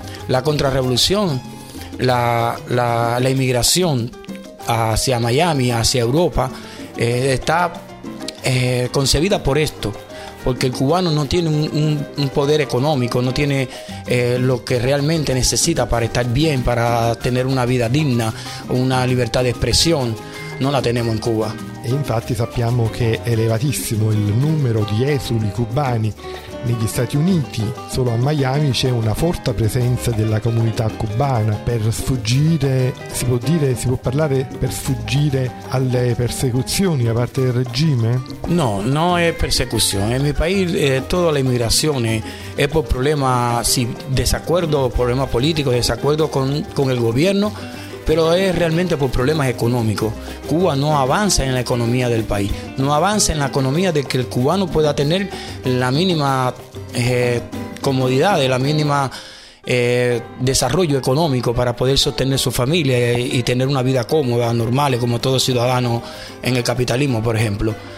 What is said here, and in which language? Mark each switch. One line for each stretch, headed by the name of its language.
Spanish: La contrarrevolución, la inmigración hacia Miami, hacia Europa, está concebida por esto, porque el cubano no tiene un poder económico, no tiene lo que realmente necesita para estar bien, para tener una vida digna, una libertad de expresión. No la tenemos en Cuba.
Italian: E infatti sappiamo che è elevatissimo il numero di esuli cubani negli Stati Uniti. Solo a Miami c'è una forte presenza della comunità cubana. Per sfuggire, si può parlare per sfuggire alle persecuzioni da parte del regime? No, non è persecuzione. Nel mio paese tutta l'immigrazione è per problema, sì, disaccordo, problema politico, disaccordo con il governo.
Spanish: Pero es realmente por problemas económicos. Cuba no avanza en la economía del país, no avanza en la economía de que el cubano pueda tener la mínima comodidad, la mínima desarrollo económico para poder sostener su familia y tener una vida cómoda, normal, como todo ciudadano en el capitalismo, por ejemplo.